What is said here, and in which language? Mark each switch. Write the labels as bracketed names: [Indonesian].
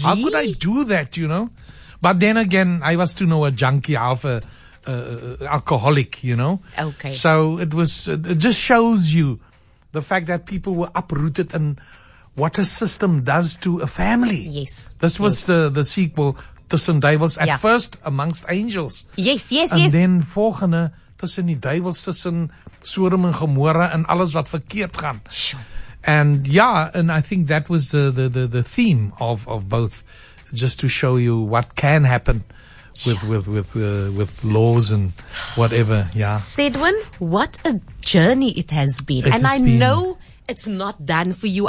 [English] How could I do that, you know? But then again, I was to know a junkie, half a alcoholic, you know? Okay. So it was, it just shows you the fact that people were uprooted and what a system does to a family. Yes. This was the sequel, Tussen Duivels, at first Amongst Angels. Yes. And then [Afrikaans] volgende, tussen die duivels, tussen Sodom en Gomorra en alles wat verkeerd gaan. [English] And yeah, and I think that was the theme of both, just to show you what can happen with laws and whatever. Yeah. Cedwyn, what a journey it has been. I know it's not done for you.